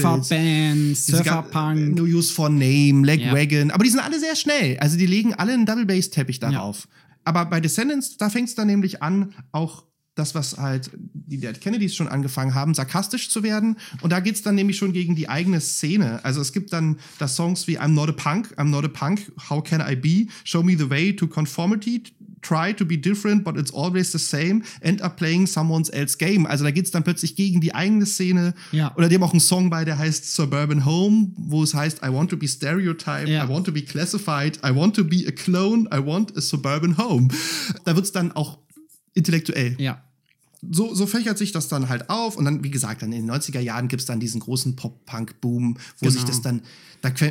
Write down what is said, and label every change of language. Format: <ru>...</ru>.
<de>Surferbands, Surferpunk. No Use for Name, Leg Wagon. Aber die sind alle sehr schnell. Also die legen alle einen Double Bass Teppich darauf. Ja. Aber bei Descendants, da fängst du dann nämlich an, auch das, was halt die Dead Kennedys schon angefangen haben, sarkastisch zu werden. Und da geht's dann nämlich schon gegen die eigene Szene. Also es gibt dann da Songs wie</de> <en>I'm not a punk, how can I be, show me the way to conformity, try to be different, but it's always the same, end up playing someone else's game.</en> <de>Also da geht's dann plötzlich gegen die eigene Szene. Ja. Oder die haben auch einen Song bei, der heißt Suburban Home, wo es heißt,</de> <en>I want to be stereotyped, I want to be classified, I want to be a clone, I want a suburban home.</en> <de>Da wird's dann auch intellektuell. Ja. So fächert sich das dann halt auf. Und dann, wie gesagt, dann in den 90er Jahren gibt es dann diesen großen Pop-Punk-Boom, wo sich das dann da</de>